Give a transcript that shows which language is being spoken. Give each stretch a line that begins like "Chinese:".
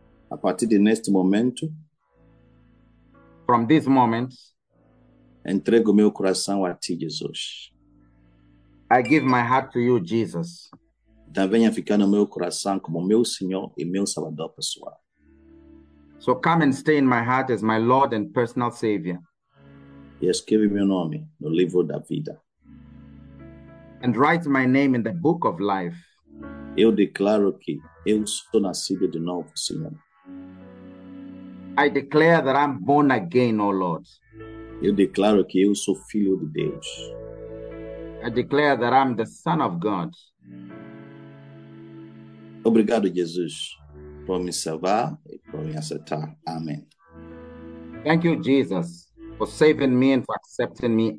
Portuguese: A partir de neste momento.
English: From this moment.
Portuguese: Entrego meu coração a ti, Jesus.
English: I give my heart to you, Jesus.
Portuguese: Então venha ficar no meu coração como meu Senhor e meu Salvador pessoal.
English: So come and stay in my heart as my Lord and personal Savior.
Portuguese: E escreve meu nome no livro da vida.
English: And write my name in the book of life.
Portuguese: Eu declaro que eu sou nascido de novo, Senhor.
English: I declare that I'm born again, O Lord.
Portuguese: Eu declaro que eu sou filho de Deus.
English: I declare that I'm the son of God.
Portuguese: Obrigado, Jesus, por me salvar e por me aceitar. Amém.
English: Thank you, Jesus, for saving me and for accepting me.